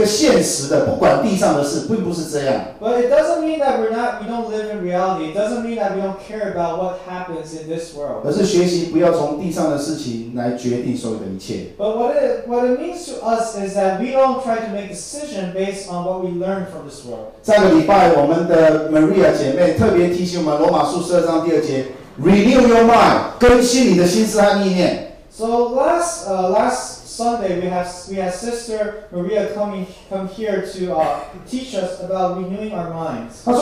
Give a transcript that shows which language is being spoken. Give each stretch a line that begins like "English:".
Chinese: 可是基督徒并不是没有这个现实的，不管地上的事，并不是这样。
English: But it doesn't mean that we don't live in reality. It doesn't mean that we don't care about what happens in this world.
Chinese: 而是学习不要从地上的事情来决定所有的一切。
English: But what it means to us is that we don't try to make decisions based on what we learn from this world.
Chinese: 上个礼拜，我们的 Maria 姐妹特别提醒我们，罗马书12章第2节。
English: Renew your mind,
Chinese: 更新你的心思和意念。
English: So last Sunday we have Sister Maria come here to teach us about renewing our minds.